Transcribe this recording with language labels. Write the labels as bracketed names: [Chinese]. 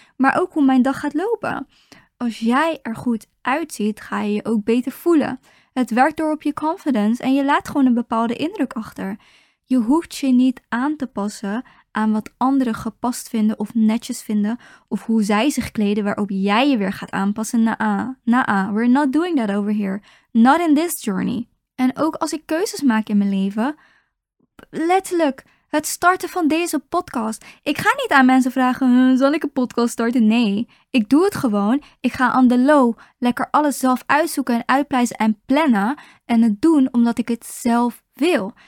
[Dutch] Maar ook hoe mijn dag gaat lopen. Als jij er goed uitziet, ga je je ook beter voelen. Het werkt door op je confidence en je laat gewoon een bepaalde indruk achter. Je hoeft je niet aan te passen aan wat anderen gepast vinden of netjes vinden, of hoe zij zich kleden waarop jij je weer gaat aanpassen. [English] We're not doing that over here. Not in this journey. [Dutch] En ook als ik keuzes maak in mijn leven, letterlijk, het starten van deze podcast. Ik ga niet aan mensen vragen, zal ik een podcast starten? Nee, ik doe het gewoon. Ik ga [English] on the low, [Dutch] lekker alles zelf uitzoeken en uitpleizen en plannen en het doen omdat ik het zelf wil.